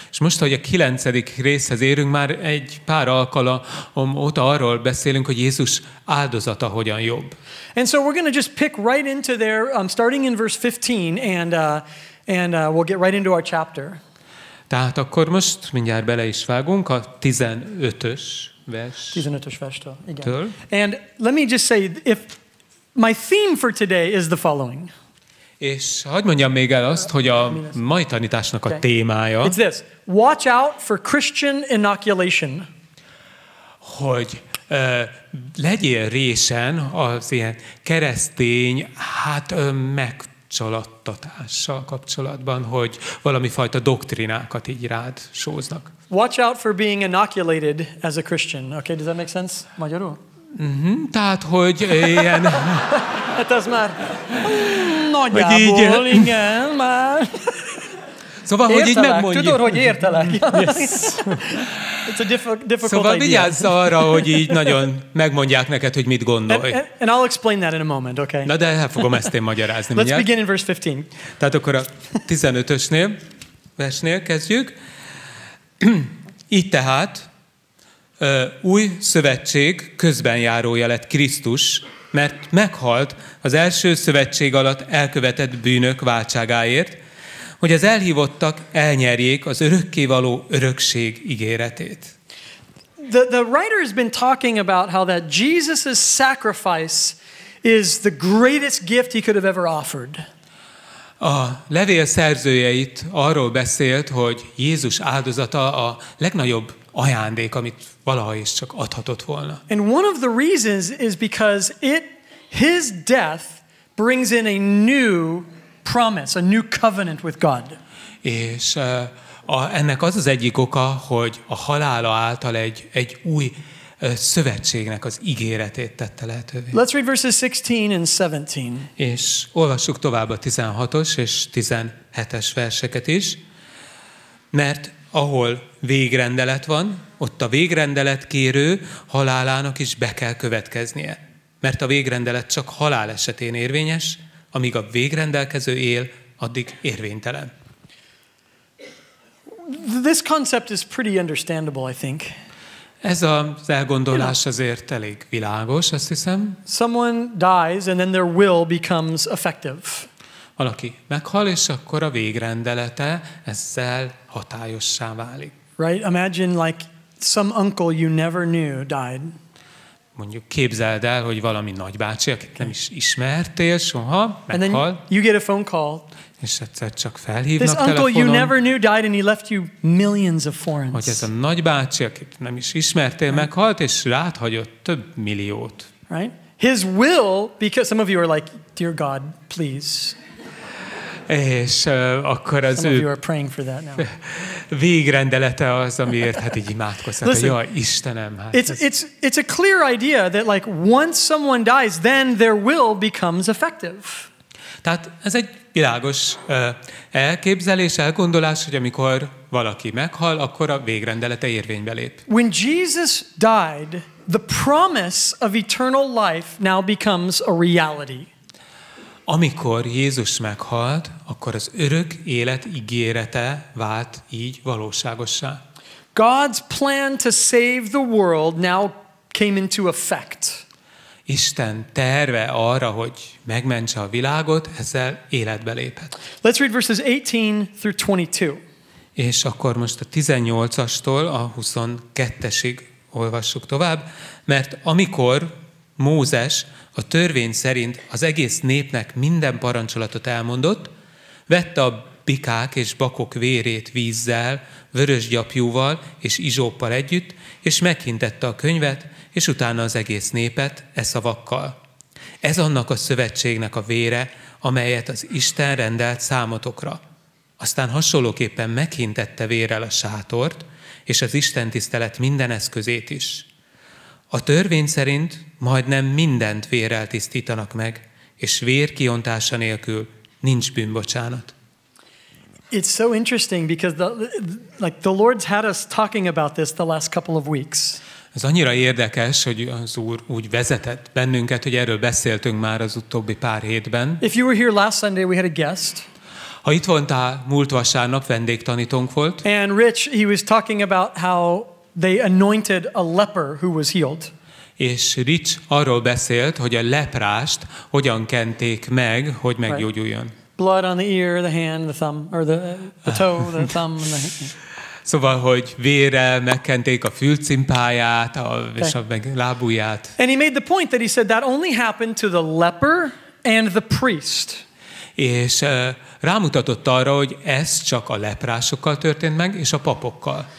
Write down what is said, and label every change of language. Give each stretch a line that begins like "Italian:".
Hungarian: És most, hogy a kilencedik részhez érünk, már egy pár alkalom óta arról beszélünk, hogy Jézus áldozata hogyan jobb.
English: And so we're going to just pick right into there, starting in verse 15, and we'll get right into our chapter.
Hungarian: Tehát akkor most mindjárt bele is vágunk a 15-ös vers. 15-ös verstől, igen. Től.
English: And let me just say, if my theme for today is the following.
Hungarian: És hadd mondjam még el azt, hogy a mai tanításnak a témája.
English: It's this. Watch out for Christian inoculation.
Hungarian: Hogy legyél résen az ilyen keresztény, megcsaladtatással kapcsolatban, hogy valami fajta doktrinákat így rád sóznak.
English: Watch out for being inoculated as a Christian. Okay, does that make sense?
Hungarian: Magyarul? Mm-hmm, tehát, hogy ilyen... hát az már nagyjából, így... igen, már... Szóval, értelek, hogy így megmondjuk. Tudod, hogy értelek.
English: Yes. It's a difficult
Hungarian: szóval
English: idea.
Hungarian: Vigyázz arra, hogy így nagyon megmondják neked, hogy mit gondolj.
English: And I'll explain that in a moment, okay?
Hungarian: Na de el fogom ezt én magyarázni.
English: Let's
Hungarian: mindjárt.
English: Begin in verse 15.
Hungarian: Tehát akkor a 15-ösnél, versnél kezdjük. Így tehát új szövetség közben járója lett Krisztus, mert meghalt az első szövetség alatt elkövetett bűnök váltságáért, hogy az elhívottak elnyerjék az örökkévaló örökség ígéretét.
English: The writer has been talking about how that Jesus's sacrifice is the greatest gift he could have ever offered.
Hungarian: A levél szerzője itt arról beszélt, hogy Jézus áldozata a legnagyobb ajándék, amit valaha is csak adhatott volna.
English: And one of the reasons is because his death brings in a new promise, a new covenant with God.
Hungarian: És ennek az az egyik oka, hogy a halála által egy új szövetségnek az ígéretét tette lehetővé.
English: Let's read verses 16 and 17.
Hungarian: És olvassuk tovább a 16-os és 17-es verseket is, mert ahol végrendelet van, ott a végrendelet kérő halálának is be kell következnie. Mert a végrendelet csak halál esetén érvényes, amíg a végrendelkező él, addig érvénytelen.
English: This concept is pretty understandable, I think.
Hungarian: Ez az elgondolás azért elég világos, azt hiszem.
English: Someone dies and then their will becomes effective.
Hungarian: Valaki meghal, és akkor a végrendelete ezzel hatályossá válik.
English: Right? Imagine like some uncle you never knew died.
Hungarian: Mondjuk képzeld el, hogy valami nagybácsi, akit nem is ismertél soha, meghal.
English: You get a phone call.
Hungarian: És egyszer csak felhívnak telefonon.
English: This uncle you never knew died and he left you millions of forints.
Hungarian: Hogy ez a nagybácsi, akit nem is ismertél, meghalt, és rád hagyott több milliót.
English: Right? His will, because some of you are like, dear God, please.
Hungarian: És akkor az
English: some of you are praying for that now.
Hungarian: Végrendelete az, amiért hát így imádkozhat, hogy jaj, Istenem. Hát
English: it's a clear idea that like once someone dies, then their will becomes effective.
Hungarian: Tehát ez egy világos elképzelés, elgondolás, hogy amikor valaki meghal, akkor a végrendelete érvénybe lép.
English: When Jesus died, the promise of eternal life now becomes a reality.
Hungarian: Amikor Jézus meghalt, akkor az örök élet ígérete vált így valóságossá.
English: God's plan to save the world now came into effect.
Hungarian: Isten terve arra, hogy megmentse a világot, ezzel életbe lépett.
English: Let's read verses 18 through 22.
Hungarian: És akkor most a 18-astól a 22-esig olvassuk tovább, mert amikor Mózes a törvény szerint az egész népnek minden parancsolatot elmondott, vette a bikák és bakok vérét vízzel, vörösgyapjúval és izsóppal együtt, és meghintette a könyvet, és utána az egész népet e szavakkal. Ez annak a szövetségnek a vére, amelyet az Isten rendelt számotokra. Aztán hasonlóképpen meghintette vérrel a sátort, és az Isten tisztelet minden eszközét is. A törvény szerint majdnem mindent vérrel tisztítanak meg, és vér kiontása nélkül nincs bűnbocsánat.
English: It's so interesting because the Lord's had us talking about this the last couple of weeks.
Hungarian: Ez annyira érdekes, hogy az Úr úgy vezetett bennünket, hogy erről beszéltünk már az utóbbi pár hétben.
English: If you were here last Sunday, we had a guest.
Hungarian: Ha itt voltál múlt vasárnap, vendégtanítónk volt.
English: And Rich, he was talking about how they anointed a leper who was healed.
Hungarian: És Rich arról beszélt, hogy a leprást hogyan kenték meg, hogy meggyógyuljon.
English: Right. Blood on the ear, the hand, the thumb, or the toe, the thumb, and the hand.
Hungarian: Szóval, hogy vérrel megkenték a fülcimpáját, és a lábujját.
English: And he made the point that he said that only happened to the leper and the priest.
Hungarian: És rámutatott arra, hogy ez csak a leprásokkal történt meg, és a papokkal.